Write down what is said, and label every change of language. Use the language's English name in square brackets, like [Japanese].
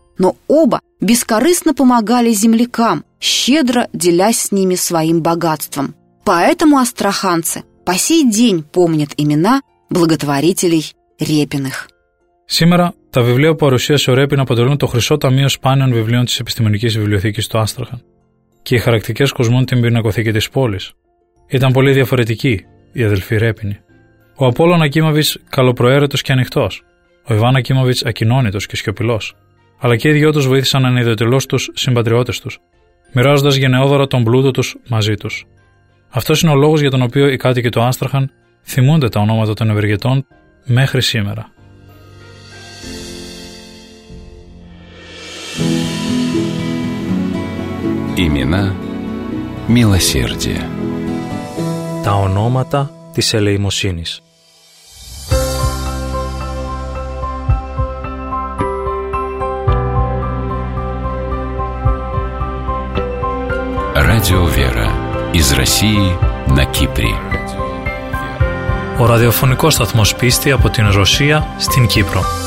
[Russian] Но оба бескорыстно помогали землякам, щедро делясь с ними своим богатством. Поэтому астраханцы по сей день помнят имена благотворителей Репиных. Сегодня [Greek] τα βιβλία που παρουσίασε ο Ρέπιν αποτελούν το χρυσό ταμείο σπάνιων βιβλίων της Επιστημονικής Βιβλιοθήκης του Άστραχαν και οι χαρακτικές κοσμούν την πινακοθήκη της πόλης. Ήταν πολύ διαφορετικοί οι αδελφοί Ρέπινοι. Ο Απόλλων Ακίμαβης καλοπροαίρετος και ανοιχτός. Ο Ιβάν Ακίμαβης ακοινώνητος και σιωπηλός. Αλλά και οι δυο τους βοήθησαν να ανιδιοτελώσουν τους συμπατριώτες τους, μοιράζοντας γενναιόδωρα τον πλούτο τους μαζί τους. Αυτός είναι ο λόγος για τον οποίο οι κάτοικοι του Άστραχαν θυμούνται τα ονόματα των ευεργετών μέχρι σήμερα. [Russian] Имена милосердия. [Greek] Τα ονόματα της ελεημοσύνης. [Russian] Радио Вера из России на Кипре. [Greek] Ο ραδιοφωνικός σταθμός πίστη από την Ρωσία στην Κύπρο.